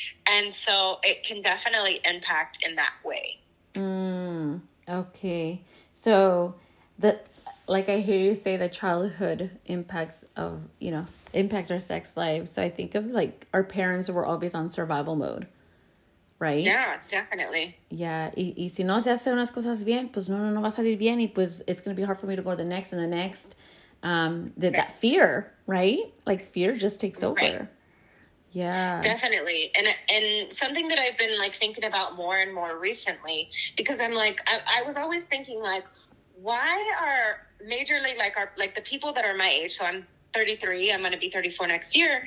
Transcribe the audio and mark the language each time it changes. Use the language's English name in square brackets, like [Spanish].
[English] And so it can definitely impact in that way. Okay. So the, like I hear you say, the childhood impacts of, you know, impacts our sex lives. So I think of like our parents were always on survival mode, right? Yeah, definitely. Yeah. [Spanish] Y si no se hacen unas cosas bien, pues no va a salir bien. Y pues [English] it's going to be hard for me to go to the next and the next. That fear, right? Like fear just takes over. Right. Yeah, definitely. And something that I've been like thinking about more and more recently, because I'm like, I was always thinking like, why are majorly like our, like the people that are my age, so I'm 33, I'm going to be 34 next year.